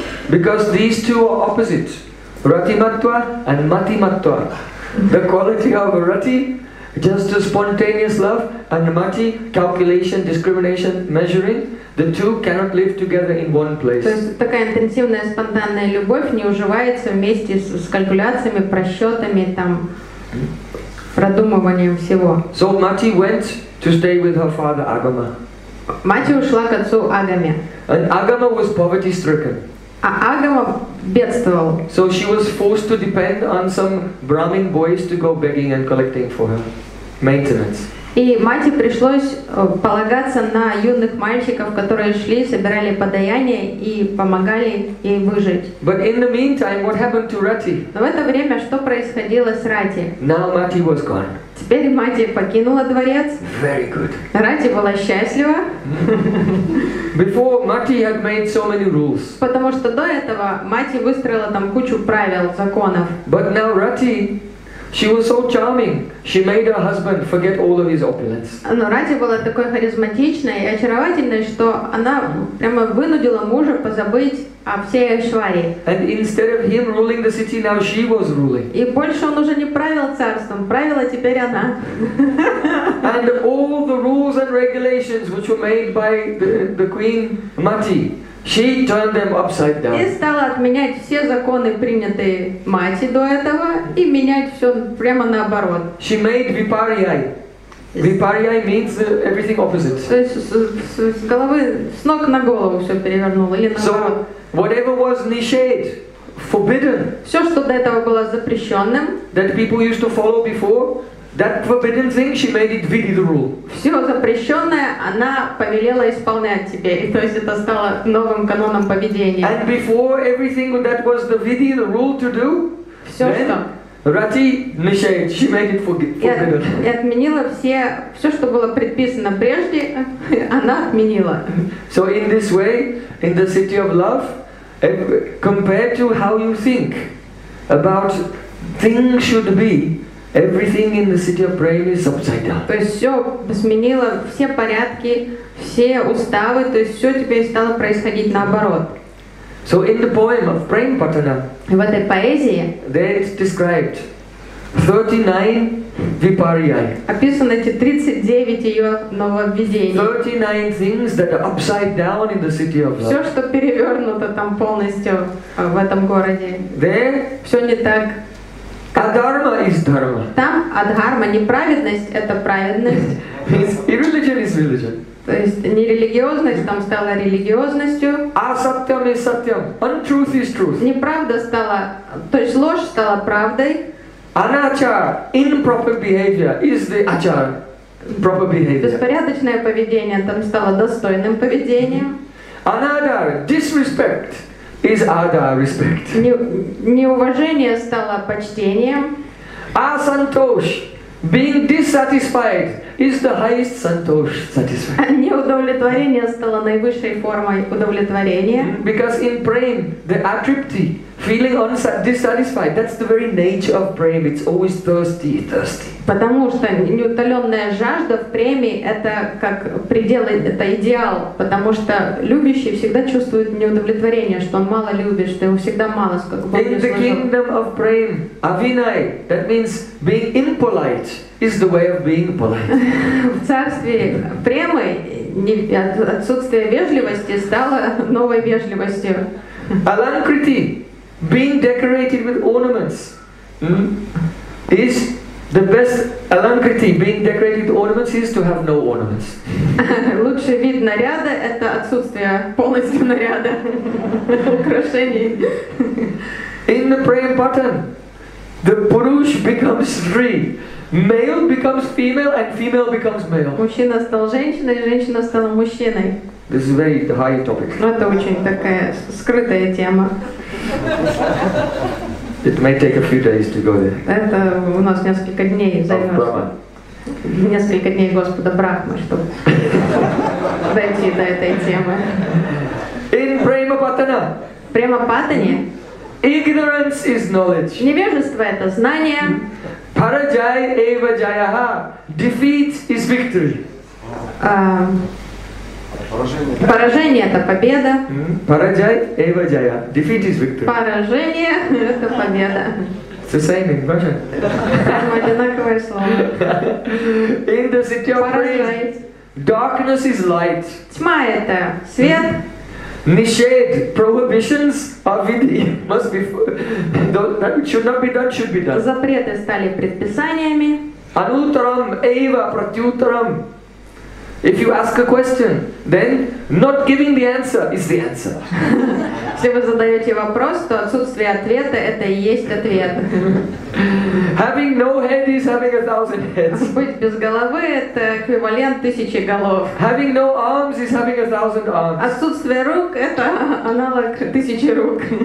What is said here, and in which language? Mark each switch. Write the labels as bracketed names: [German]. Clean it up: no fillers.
[English] Because these two are opposites, Rati Matva and Mati Matva. The quality of Rati, just a spontaneous love, and Mati, calculation, discrimination, measuring. The two cannot live together in one place. [Russian] То есть такая интенсивная спонтанная любовь не уживается вместе с калькуляциями, просчетами, там, продумыванием всего. [English] So Mati went to stay with her father Agama. [Russian] Мати ушла к отцу Агаме. [English] And Agama was poverty stricken. [Russian] А Агама бедствовал. [English] So she was forced to depend on some Brahmin boys to go begging and collecting for her maintenance. [Russian] И Мати пришлось полагаться на юных мальчиков, которые шли, собирали подаяние и помогали ей выжить. [English] But in the meantime, what happened to Rati? [Russian] Но в это время что происходило с Рати? [English] Now Mati was gone. [Russian] Теперь Мати покинула дворец. [English] Very good. [Russian] Рати была счастлива. [English] Before Mati had made so many rules. [Russian] Потому что до этого Мати выстроила там кучу правил, законов. [English] But now Rati, she was so charming. She made her husband forget all of his opulence. [Russian] Но Рати была такой харизматичной и очаровательной, что она прямо вынудила мужа позабыть о всей Айшварии. [English] And instead of him ruling the city, now she was ruling. [Russian] И больше он уже не правил царством, правила теперь она. [English] And all the rules and regulations, which were made by the queen Mati, she turned them upside down. [Russian] И стала отменять все законы, принятые Мати до этого, и менять все прямо наоборот. [English] She made vipariyai. Vipariyai means everything opposite. [Russian] То есть с головы, с ног на голову все перевернула, или наоборот. [English] Whatever was nished, forbidden. [Russian] Все, что до этого было запрещенным. [English] That people used to follow before, that forbidden thing she made it vidhi, the rule. [Russian] Все запрещенное она повелела исполнять теперь, то есть это стало новым каноном поведения. [English] And before everything that was the vidhi, the rule to do. [Russian] Все [English] then, [Russian] что. [English] Rati nished, she made it forbidden. [Russian] И отменила все, что было предписано прежде, она отменила. [English] So in this way, in the city of love, compared to how you think, about things should be, everything in the city of Prem is upside down. [Russian] То есть все изменило, все порядки, все уставы, то есть все теперь стало происходить наоборот. [English] So in the poem of Prem Pattanam, [Russian] в этой поэзии, [English] there it's described 39 vipariyai. [Russian] Описано эти 39 ее нововведений. [English] 39 things that are upside down in the city of love. [Russian] Все, что перевернуто там полностью в этом городе. [English] There, [Russian] все не так. [English] Адхарма is дхарма. [Russian] Там адхарма, неправедность, это праведность. И [English] religion is religion. [Russian] То есть нерелигиозность там стала религиозностью. [English] Асаттям is саттям. Untruth is truth. [Russian] Неправда стала, то есть ложь стала правдой. [English] Анаачар, improper behavior, is the achar, proper behavior. [Russian] Беспорядочное поведение там стало достойным поведением. [English] Анаадар, disrespect, is адар, respect. [Russian] Неуважение стало почтением. [English] Асантош, being dissatisfied, is the highest santosh, satisfied. [Russian] Неудовлетворение стало наивысшей формой удовлетворения. [English] Because in Prem, the atripti, feeling dissatisfied, that's the very nature of Prem. It's always thirsty, thirsty. [Russian] Потому что неутоленная жажда в Преме — это как предел, это идеал. Потому что любящий всегда чувствует неудовлетворение, что он мало любит, что ему всегда мало, сколько Бог не служил. [English] In the kingdom of Prem, avinay, that means being impolite, is the way of being polite. [Russian] В царстве Премы отсутствие вежливости стало новой вежливостью. [English] Alankriti, being decorated with ornaments, is the best alankriti. Being decorated with ornaments is to have no ornaments. [Russian] Лучший вид наряда — это отсутствие полностью наряда, украшений. [English] In the Prem Pattan, the Purush becomes free. Male becomes female and female becomes male. [Russian] Мужчина стал женщиной, женщина стала мужчиной. [English] This is a very high topic. [Russian] Это очень такая скрытая тема. [English] It may take a few days to go there. [Russian] Это у нас несколько дней займется. Несколько дней Господа Брахмы, чтобы дойти до этой темы. [English] In Prema Pattana. Prema Pattani. Ignorance is knowledge. [Russian] Невежество это знание. [Sanskrit] Параджай эва джаяха. [English] Defeat is victory. [Russian] Поражение это победа. [Sanskrit] Параджай эва джая. [English] Defeat is victory. [Russian] Поражение это победа. [English] It's the same in Russian. [Russian] Там одинаковое слово. [English] In the city of Prem, darkness is light. [Russian] Тьма это свет. [English] Nished, prohibitions are vidhi, must be, don't, should not be done, should be done. [Russian] Запреты стали предписаниями. [Sanskrit] Anutaram, eva, pratyutaram. [English] If you ask a question, then not giving the answer is the answer. [Russian] Если вы задаете вопрос, то отсутствие ответа — это и есть ответ. [English] Having no head is having 1,000 heads. [Russian] Быть без головы — это эквивалент 1,000 голов. [English] Having no arms is having 1,000 arms. [Russian] Отсутствие рук — это аналог 1,000 рук.